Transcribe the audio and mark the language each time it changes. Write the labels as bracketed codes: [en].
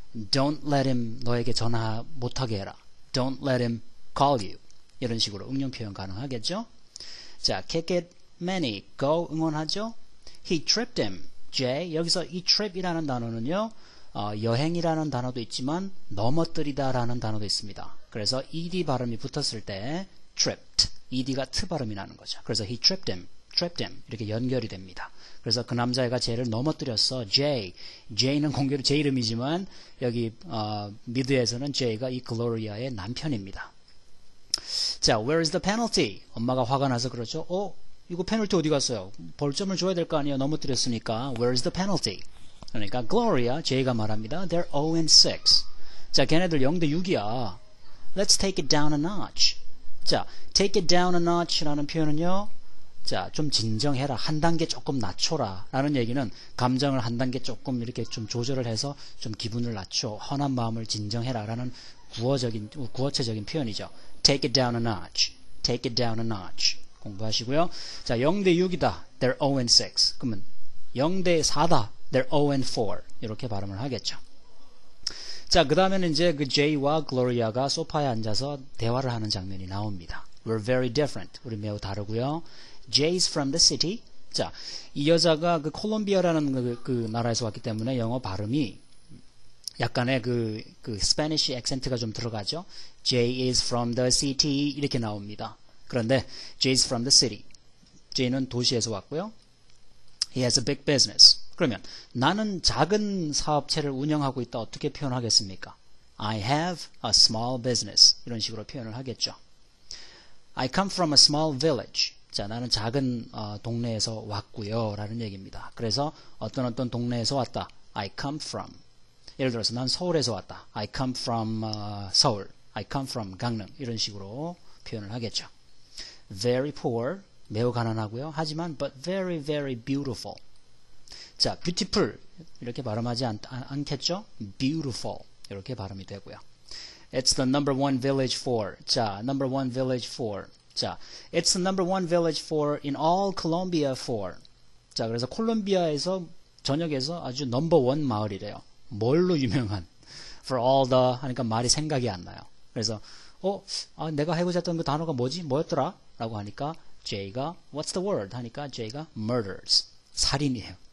[en] don't let him [ko] 너에게 전화 못하게 해라. [en] don't let him call you. [ko] 이런 식으로 응용 표현 가능하겠죠? [en] 자, kick it, Manny, go [ko] 응원하죠? [en] He tripped him, Jay. [ko] 여기서 이 trip이라는 단어는요, 여행이라는 단어도 있지만 넘어뜨리다라는 단어도 있습니다. 그래서 ed 발음이 붙었을 때 tripped, ed가 t 발음이 나는 거죠. 그래서 [en] he tripped him [ko] 이렇게 연결이 됩니다. 그래서 그 남자애가 Jay를 넘어뜨렸어. Jay, Jay는 공교롭게 제 이름이지만 여기 미드에서는 Jay가 이 글로리아의 남편입니다. [en] 자, where is the penalty? [ko] 엄마가 화가 나서 그러죠. 어? 이거 페널티 어디 갔어요? 벌점을 줘야 될거 아니에요. 넘어뜨렸으니까. [en] Where is the penalty? [ko] 그러니까 Gloria, Jay가 말합니다. [en] They're 0 and 6. 자, [ko] 걔네들 0대 6이야. [en] Let's take it down a notch. 자, take it down a notch라는 표현은요. [ko] 자, 좀 진정해라. 한 단계 조금 낮춰라라는 얘기는 감정을 한 단계 조금 이렇게 좀 조절을 해서 좀 기분을 낮춰. 헌한 마음을 진정해라라는 구어체적인 표현이죠. [en] Take it down a notch. Take it down a notch. [ko] 공부하시고요. 자, 0대 6이다. [en] They're 0 and 6. [ko] 그러면 0대 4다. [en] They're 0 and 4. [ko] 이렇게 발음을 하겠죠. 자, 그 다음에는 이제 그 제이와 글로리아가 소파에 앉아서 대화를 하는 장면이 나옵니다. [en] We're very different. [ko] 우리 매우 다르고요. [en] Jay's from the city. [ko] 자, 이 여자가 그 콜롬비아라는 그 나라에서 왔기 때문에 영어 발음이 약간의 그 스페니쉬 액센트가 좀 들어가죠. [en] Jay is from the city. 이렇게 나옵니다. 그런데 Jay's from the city. [ko] Jay는 도시에서 왔고요. [en] He has a big business. [ko] 그러면 나는 작은 사업체를 운영하고 있다. 어떻게 표현하겠습니까? [en] I have a small business. [ko] 이런 식으로 표현을 하겠죠. [en] I come from a small village. [ko] 자, 나는 작은 동네에서 왔고요. 라는 얘기입니다. 그래서 어떤 동네에서 왔다. [en] I come from. [ko] 예를 들어서 난 서울에서 왔다. [en] I come from 서울. I come from 강릉. [ko] 이런 식으로 표현을 하겠죠. [en] Very poor, [ko] 매우 가난하고요. [en] 하지만 but very very beautiful. [ko] 자, beautiful 이렇게 발음하지 않겠죠? Beautiful 이렇게 발음이 되고요. [en] It's the number one village for. 자, number one village for. 자, it's the number one village for in all Colombia for. [ko] 자, 그래서 콜롬비아에서 전역에서 아주 number one 마을이래요. 뭘로 유명한? For all the 하니까 말이 생각이 안 나요. 그래서 내가 해보자 했던 그 단어가 뭐지? 뭐였더라? 라고 하니까 제이가 [en] What's the word? [ko] 하니까 제이가 Murders, 살인이에요.